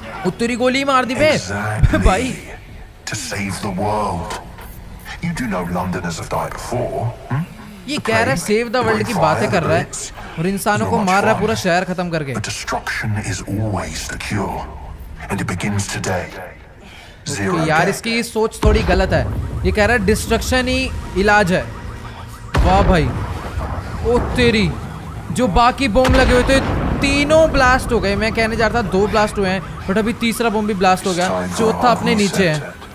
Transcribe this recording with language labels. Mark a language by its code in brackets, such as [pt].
[hi] उत्तरी गोली मार दी पे भाई। [en] To save the world, you do know Londoners have died before. [hi] ये कह रहा है [en] save the world [hi] की बातें कर रहा है और इंसानों को मार रहा है, पूरा शहर खत्म करके। [en] But destruction is always the cure, and it begins today. Zero. [hi] यार इसकी ये सोच थोड़ी गलत है। ये कह रहा है destruction ही इलाज है। वाह भाई, ओ तेरी, जो बाकी बम लगे हुए थे तीनों ब्लास्ट हो गए। मैं कहने जा रहा था दो ब्लास्ट हुए हैं, बट अभी तीसरा बम भी ब्लास्ट हो गया, चौथा अपने नीचे है।